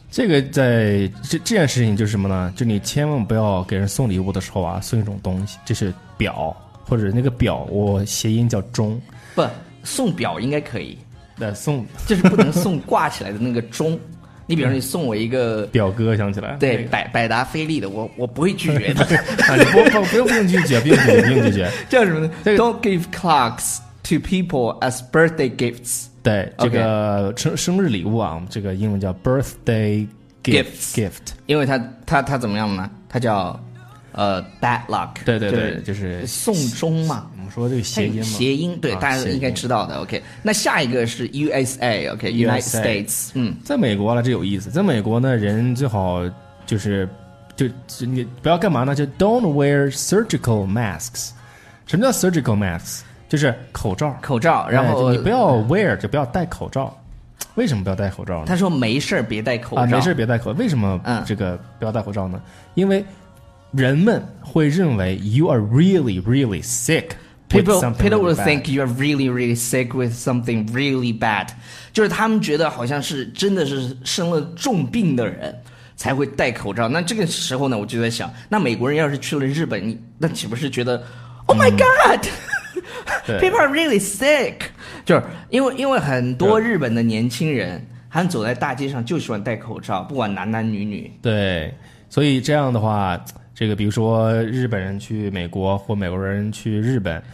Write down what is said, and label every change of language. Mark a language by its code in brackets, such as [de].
[zh] 这个在这件事情就是什么呢？就你千万不要给人送礼物的时候啊，送一种东西，这是表。或者那个表，我谐音叫钟，不送表应该可以，送就是不能送挂起来的那个钟。你比如说你送我一个表哥，想起来对、那个、百达翡丽的，我不会拒绝的。啊、你不用拒绝，不用拒绝，不用拒绝。叫什么呢、这个、？ [en] Don't give clocks to people as birthday gifts。 [zh] 对， [en] okay. [zh] 这个生日礼物啊，这个英文叫 [en] birthday gift， [zh] 因为它怎么样呢？它叫deadlock。对对对，就是送钟嘛。我们说这个谐音嘛。谐音，对、啊、大家应该知道的。 [en] OK， [zh] 那下一个是 [en] USA，OK，、okay, United States。 [zh] 嗯，在美国了，这有意思。在美国呢，人最好就你不要干嘛呢？就 [en] don't wear surgical masks。 [zh] 什么叫 [en] surgical masks？ [zh] 就是口罩，然后、哎、你不要 wear 就不要戴口罩。为什么不要戴口罩呢？他说没事别戴口罩、啊、没事别戴口罩。为什么这个不要戴口罩呢、嗯、因为人们会认为 [en] you are really really sick people will think you are really really sick with something really bad， [zh] 就是他们觉得好像是真的是生了重病的人才会戴口罩。那这个时候呢，我就在想，那美国人要是去了日本，那岂不是觉得、嗯、 [en] oh my god people are really sick， [zh] 就是因为很多日本的年轻人他们走在大街上就喜欢戴口罩，不管男男女女。对，所以这样的话，这个比如说日本人去美国或美国人去日本，